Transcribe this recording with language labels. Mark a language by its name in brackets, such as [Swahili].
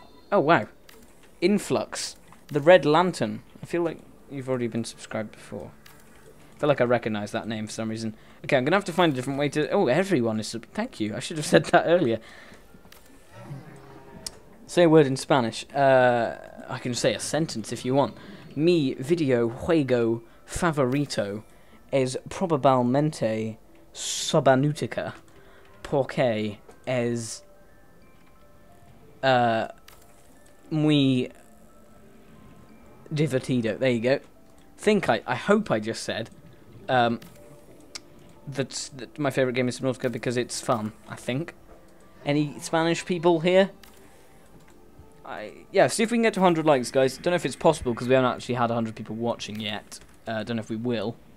[English] Oh wow. Influx. The Red Lantern. I feel like you've already been subscribed before. I feel like I recognise that name for some reason. Okay, I'm going to have to find a different way to... Oh, everyone is... Thank you. I should have said that earlier. Say a word in Spanish. I can say a sentence if you want. [Spanish] Mi video juego favorito es probablemente Subnautica porque es muy divertido. [English] There you go. I hope I just said that my favorite game is Subnautica because it's fun, I think. Any Spanish people here? See if we can get to 100 likes, guys. Don't know if it's possible, because we haven't actually had 100 people watching yet. Don't know if we will.